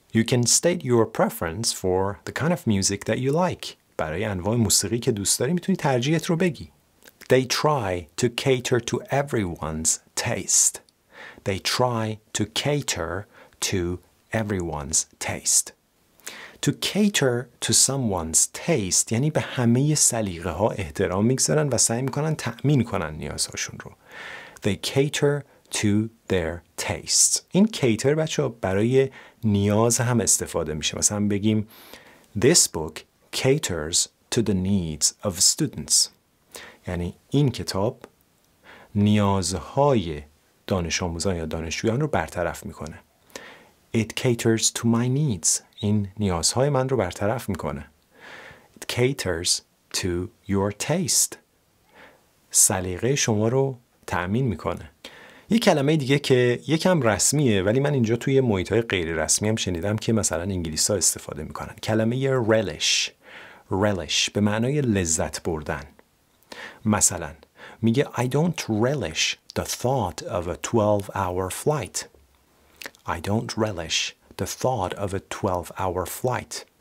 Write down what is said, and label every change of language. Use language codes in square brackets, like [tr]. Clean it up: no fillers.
[en] You can state your preference for the kind of music that you like. [fa] برای انواع موسیقی که دوست داری میتونی ترجیحت رو بگی. [en] They try to cater to everyone's taste. They try to cater to everyone's taste. To cater to someone's taste [fa] یعنی به همه سلیقه ها احترام میگذارن و سعی میکنن تأمین کنن نیازهاشون رو. [en] They cater to their taste. [fa] این cater بچه ها برای نیاز هم استفاده میشه. مثلا بگیم [en] This book caters to the needs of students. [fa] یعنی این کتاب نیازهای دانش آموزان یا دانشجویان رو برطرف میکنه. [en] It caters to my needs. [fa] این نیازهای من رو برطرف میکنه. [en] It caters to your taste. [fa] سلیقه شما رو تأمین میکنه. یه کلمه دیگه که یکم رسمیه ولی من اینجا توی محیطهای غیر رسمی هم شنیدم که مثلا انگلیس ها استفاده میکنن. کلمه یه relish. Relish به معنای لذت بردن. مثلا میگه [en] I don't relish the thought of a 12-hour flight. I don't relish the thought of a 12-hour flight.